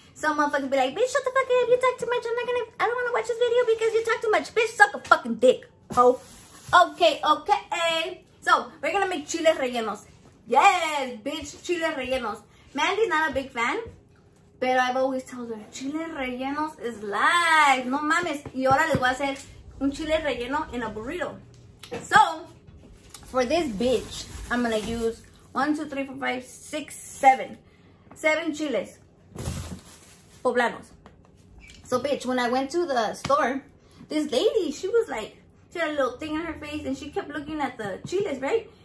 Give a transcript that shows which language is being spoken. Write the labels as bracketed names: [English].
[English] Some motherfuckers be like, bitch, shut the fuck up, you talk too much. I don't wanna watch this video because you talk too much. Bitch, suck a fucking dick, ho. Okay. So we're gonna make chiles rellenos. Yes, bitch, chiles rellenos. Mandy's not a big fan, but I've always told her, chiles rellenos is life. [Spanish] No mames. Y ahora les voy a hacer un chile relleno [English] in a burrito. So, for this bitch, I'm going to use 1, 2, 3, 4, 5, 6, 7. 7 chiles. Poblanos. So, bitch, when I went to the store, this lady, she was like, she had a little thing in her face, and she kept looking at the chiles, right?